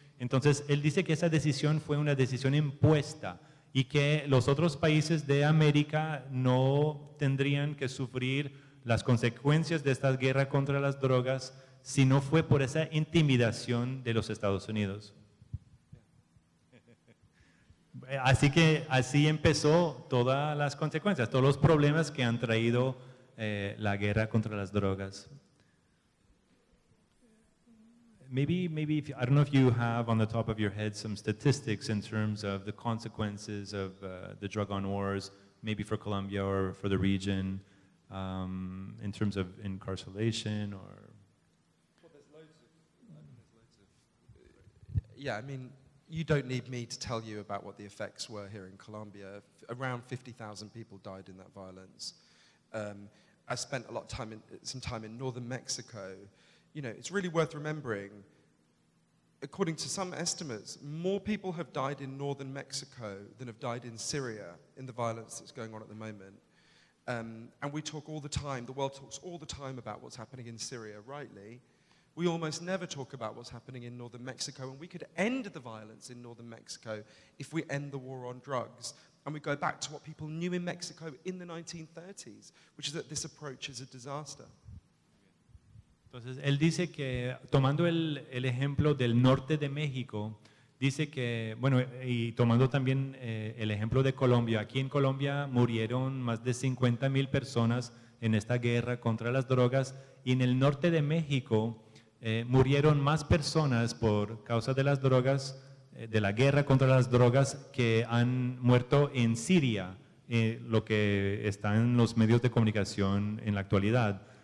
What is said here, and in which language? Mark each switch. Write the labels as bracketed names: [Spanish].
[Spanish] Entonces, él dice que esa decisión fue una decisión impuesta y que los otros países de América no tendrían que sufrir las consecuencias de esta guerra contra las drogas si no fue por esa intimidación de los Estados Unidos. Así que así empezó todas las consecuencias, todos los problemas que han traído la guerra contra las drogas. [English] Maybe if you, I don't know if you have on the top of your head some statistics in terms of the consequences of the drug on wars, maybe for Colombia or for the region, in terms of incarceration or. Well, there's loads of. Yeah, I mean, you don't need me to tell you about what the effects were here in Colombia. Around 50,000 people died in that violence. I spent a lot of time in, some time in northern Mexico. You know, it's really worth remembering, according to some estimates, more people have died in northern Mexico than have died in Syria in the violence that's going on at the moment. And we talk all the time, the world talks all the time about what's happening in Syria, rightly. We almost never talk about what's happening in northern Mexico, and we could end the violence in northern Mexico if we end the war on drugs. And we go back to what people knew in Mexico in the 1930s, which is that this approach is a disaster. [Spanish] Entonces, él dice que, tomando el ejemplo del norte de México, dice que, bueno, y tomando también el ejemplo de Colombia, aquí en Colombia murieron más de 50,000 personas en esta guerra contra las drogas, y en el norte de México murieron más personas por causa de las drogas, de la guerra contra las drogas, que han muerto en Siria, lo que está en los medios de comunicación en la actualidad.